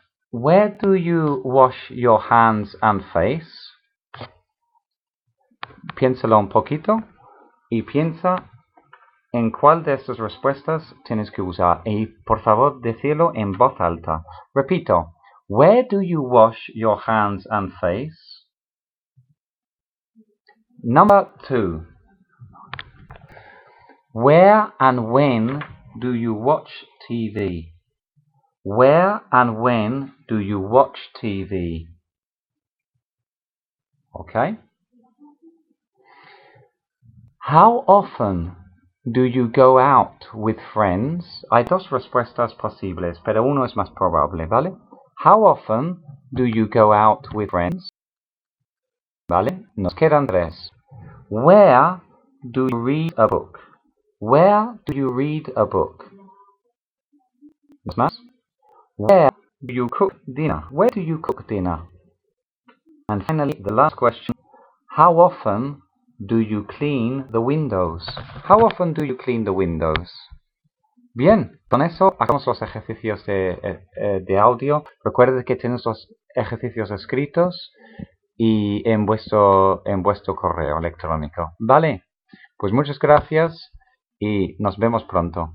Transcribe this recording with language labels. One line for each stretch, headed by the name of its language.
English: Where do you wash your hands and face?
Spanish: Piénsalo un poquito. Y piensa en cuál de estas respuestas tienes que usar. Y por favor, decirlo en voz alta. Repito,
English: where do you wash your hands and face? Number two. Where and when do you watch TV? Where and when do you watch TV? Okay. How often do you go out with friends?
Spanish: Hay dos respuestas posibles, pero uno es más probable, ¿vale?
English: How often do you go out with friends?
Spanish: ¿Vale? Nos quedan tres.
English: Where do you read a book? Where do you read a book?
Spanish: ¿Es más?
English: Where do you cook dinner? Where do you cook dinner? And finally, the last question. How often do you clean the windows? How often do you clean the windows?
Spanish: Bien, con eso hacemos los ejercicios de audio. Recuerden que tenéis los ejercicios escritos y en vuestro correo electrónico. Vale, pues muchas gracias y nos vemos pronto.